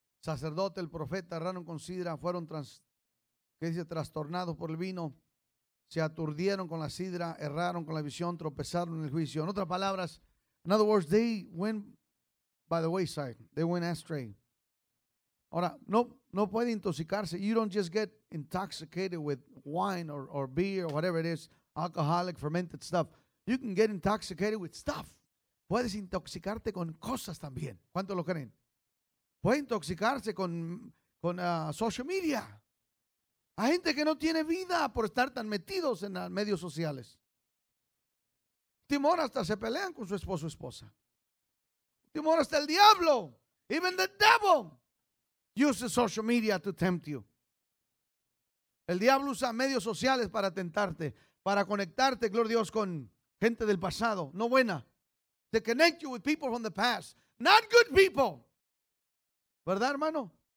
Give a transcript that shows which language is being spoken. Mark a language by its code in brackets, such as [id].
[es] sacerdote, el profeta, erraron con sidra, fueron trastornados por el vino, se aturdieron con la sidra, erraron con la visión, tropezaron en el juicio. En otras palabras, [en] in other words, they went by the wayside, they went astray. [es] Ahora, no puede intoxicarse. [en] You don't just get intoxicated with wine or beer or whatever it is, alcoholic, fermented stuff. You can get intoxicated with stuff. [es] Puedes intoxicarte con cosas también. ¿Cuántos lo creen? Puede intoxicarse con social media. Hay gente que no tiene vida por estar tan metidos en las medios sociales. Timor hasta se pelean con su esposo o esposa. Timor hasta el diablo. [en] Even the devil uses social media to tempt you. [es] El diablo usa medios sociales para tentarte, para conectarte, gloria a Dios, con gente del pasado, no buena. [en] To connect you with people from the past, not good people. [es] ¿Verdad, hermano?